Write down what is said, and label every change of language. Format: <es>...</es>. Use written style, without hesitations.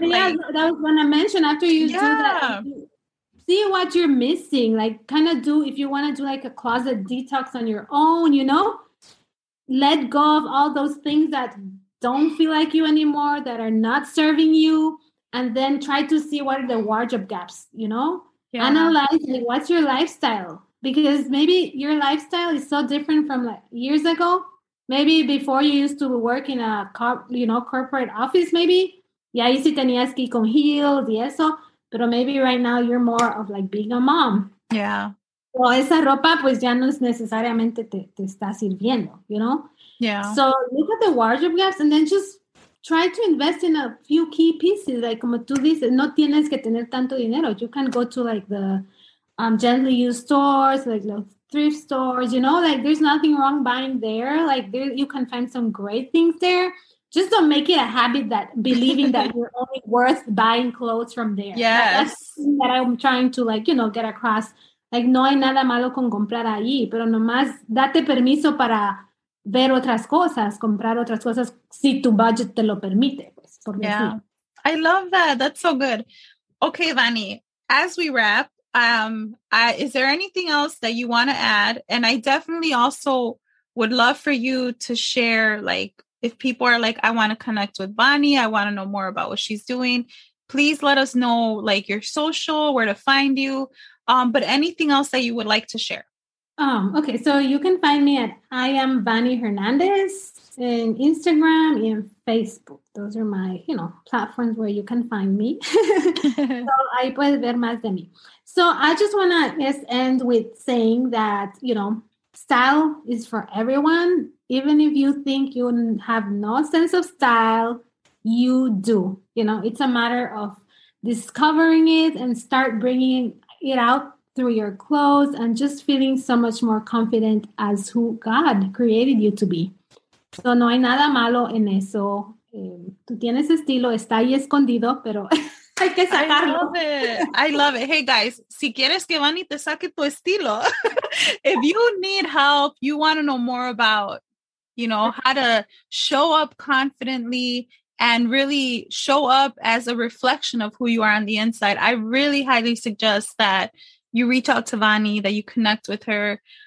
<en>Like, yeah, that was when I mentioned after you do that, see what you're missing, like kind of do, if you want to do like a closet detox on your own, you know, let go of all those things that don't feel like you anymore, that are not serving you. And then try to see what are the wardrobe gaps, you know? Yeah. Analyze, like, what's your lifestyle? Because maybe your lifestyle is so different from like years ago. Maybe before you used to work in a corporate office, maybe.</en> <es>Y ahí sí tenías que ir con heels y eso.</es> <en>Pero maybe right now you're more of like being a mom. Yeah. Well,</en> <es>esa ropa pues ya no es necesariamente te está sirviendo,</es> <en>you know? Yeah. So look at the wardrobe gaps and then just try to invest in a few key pieces. Like,</en> <es>como tú dices, no tienes que tener tanto dinero.</es> <en>You can go to, like, the gently used stores, like, the thrift stores, you know? Like, there's nothing wrong buying there. Like, there, you can find some great things there. Just don't make it a habit that believing that you're only worth buying clothes from there. Yes. That's that I'm trying to, like, you know, get across.</en> <es>Like, no hay nada malo con comprar ahí, pero nomás date permiso para ver otras cosas, comprar otras cosas, si tu budget te lo permite. Pues, por</es> <en>yeah, I love that. That's so good. Okay, Vany, as we wrap, is there anything else that you want to add? And I definitely also would love for you to share, like, if people are like, I want to connect with Vany, I want to know more about what she's doing, please let us know, like, your social, where to find you. But anything else that you would like to share? Okay, so you can find me at I Am Vany Hernandez in Instagram and Facebook. Those are my, you know, platforms where you can find me.</en> <es>So ahí puedes ver más de mí.</es> <en>So I just want to end with saying that, you know, style is for everyone. Even if you think you have no sense of style, you do. You know, it's a matter of discovering it and start bringing it out through your clothes and just feeling so much more confident as who God created you to be.</en> <es>So no hay nada malo en eso. Tú tienes estilo, está ahí escondido, pero hay que sacarlo.</es> <en>I love it. Hey guys,</en> <es>si quieres que Vany te saque tu estilo,</es> <en>if you need help, you want to know more about, you know, how to show up confidently and really show up as a reflection of who you are on the inside, I really highly suggest that you reach out to Vany, that you connect with her.</en>